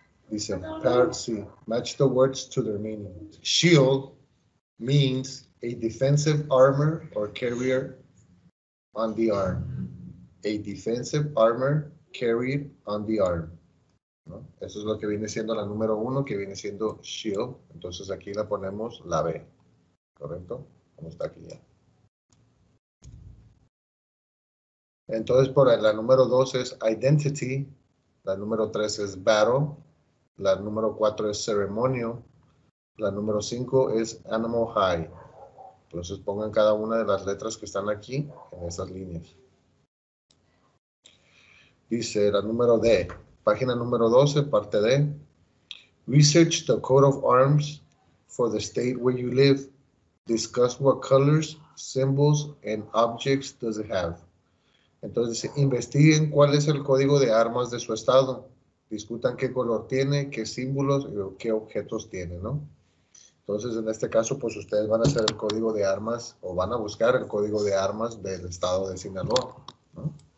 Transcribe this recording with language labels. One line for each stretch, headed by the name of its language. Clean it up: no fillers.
English: Dice, part C, match the words to their meaning. Shield means a defensive armor or carrier on the arm. A defensive armor carried on the arm. ¿No?
Spanish: Eso es lo que viene siendo la número uno, que viene siendo shield. Entonces aquí la ponemos la B. ¿Correcto? Como está aquí ya. Entonces por la número dos es identity. La número tres es battle. La número cuatro es ceremonial. La número cinco es animal hide. Entonces pongan cada una de las letras que están aquí en esas líneas. Dice la número D, página número 12, parte D.
English: Research the coat of arms for the state where you live. Discuss what colors, symbols, and objects does it have.
Spanish: Entonces, investiguen cuál es el código de armas de su estado. Discutan qué color tiene, qué símbolos y qué objetos tiene, ¿no? Entonces, en este caso, pues ustedes van a hacer el código de armas o van a buscar el código de armas del estado de Sinaloa, ¿no?